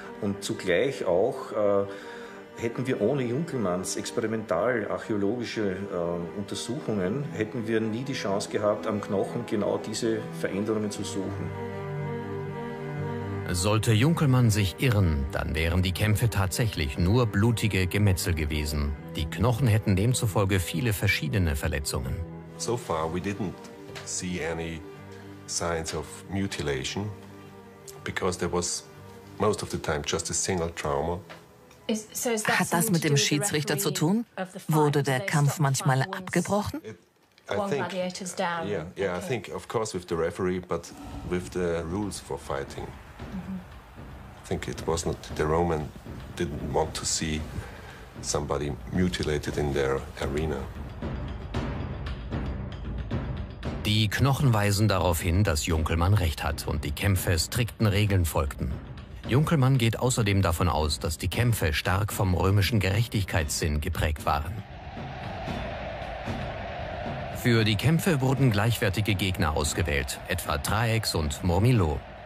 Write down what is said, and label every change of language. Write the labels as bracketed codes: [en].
[de] Und zugleich auch hätten wir ohne Junkelmanns experimental-archäologische Untersuchungen, hätten wir nie die Chance gehabt, am Knochen genau diese Veränderungen zu suchen. Sollte Junkelmann sich irren, dann wären die Kämpfe tatsächlich nur blutige Gemetzel gewesen. Die Knochen hätten demzufolge viele verschiedene Verletzungen. [en] So far we didn't see any signs of mutilation, because there was most of the time just a single trauma. [de] Hat das mit dem Schiedsrichter zu tun? Wurde der Kampf manchmal abgebrochen? [en] I think of course with the referee, but with the rules for fighting. I think it was not the Roman didn't want to see somebody mutilated in their arena. [de] Die Knochen weisen darauf hin, dass Junkelmann recht hat und die Kämpfe strikten Regeln folgten. Junkelmann geht außerdem davon aus, dass die Kämpfe stark vom römischen Gerechtigkeitssinn geprägt waren. Für die Kämpfe wurden gleichwertige Gegner ausgewählt, etwa Traex und Murmillo.